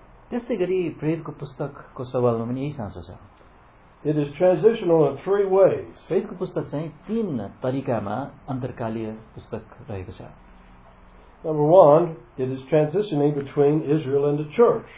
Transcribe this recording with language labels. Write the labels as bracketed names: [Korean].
[Nepali] त्यसै गरी प्रेरितको पुस्तकको सवालमा पनि यही साँचो छ [English] It is transitional in three ways. [Nepali] प्रेरितको पुस्तक चाहिँ तीन तरिकामा अन्तरकालीय पुस्तक रहेको छ [English] Number one, it is transitioning between Israel and the church.